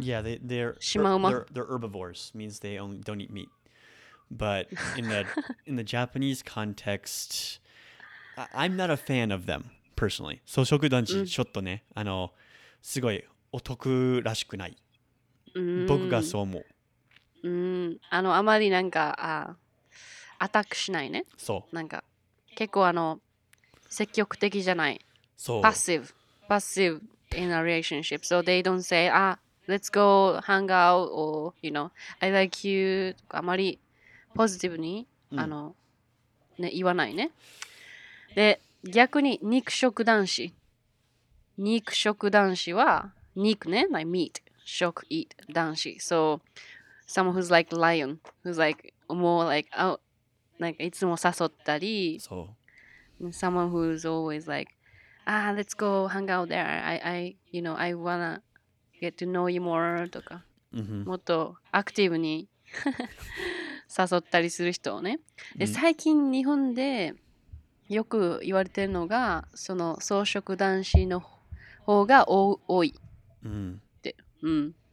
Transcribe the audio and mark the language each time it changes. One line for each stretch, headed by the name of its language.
English: Yeah, they're herbivores, means they only don't eat meat. But in the Japanese context, I'm not a fan of them personally.
Japanese: 草食男子ちょっとね、すごい男らしくない。僕がそう思う。あまりなんかアタックしないね。そう。なんか結構積極的じゃない。そう。
English: Passive in a relationship. So they don't say, let's go hang out or, you know, I like you.
Japanese: とかあまりポジティブに、ね、言わないね。で、逆に肉食男子。肉食男子は肉ね。
English: Like meat. 食 eat 男子。So someone who's like lion. Who's like more like,
Japanese: なんかいつも誘ったり、そう、
English: someone who's always like, let's go hang out there. I, you know, I wanna get to know you more とか、 mm-hmm.
Japanese: もっとアクティブに誘ったりする人をね。で、mm-hmm. 最近日本でよく言われてるのが、その草食男子の方が多いって、mm-hmm.